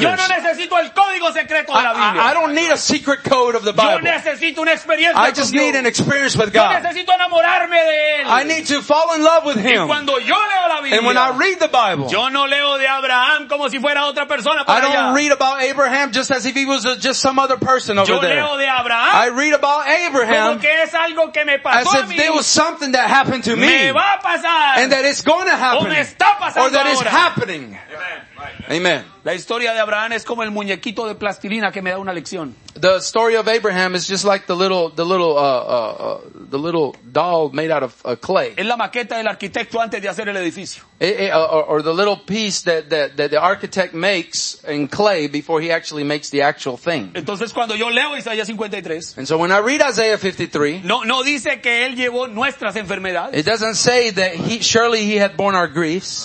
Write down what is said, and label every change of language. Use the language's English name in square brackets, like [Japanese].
[Spanish] Yo no necesito el código secreto de la Biblia. [English] I don't need a secret code of the Bible. [Spanish] Yo necesito una experiencia [English] I just [Spanish] con [English] need [Spanish] Dios. [English] An experience with God. [Spanish] Yo necesito enamorarme de él. [English] I need to fall in love with him. [Spanish] Y cuando yo leo la Biblia, [English] and when I read the Bible, [Spanish] yo no leo de Abraham como si fuera otra persona por [English] I don't [Spanish] allá. [English] Read about Abraham just as if he was just some other person over [Spanish] yo [English] there. [Spanish] Leo de Abraham, [English] I read about Abraham [Spanish] como que es algo que me pasó. [English] As if there was something that happened to me, [Spanish] me va a pasar, [English] and that it's going to happen, [Spanish] o me está pasando [English] or that [Spanish] ahora. [English] It's happening. Amen. [Spanish] La historia de Abraham es como el muñequito de plastilina que me da una lección. [English] The story of Abraham is just like the little doll made out of clay. [Spanish] Es la maqueta del arquitecto antes de hacer el edificio. [English] Or the little piece that the architect makes in clay before he actually makes the actual thing. [Spanish] Entonces cuando yo leo Isaías 53. [English] And so when I read Isaiah 53. [Spanish] No dice que él llevó nuestras enfermedades. [English] It doesn't say that surely he had borne our griefs.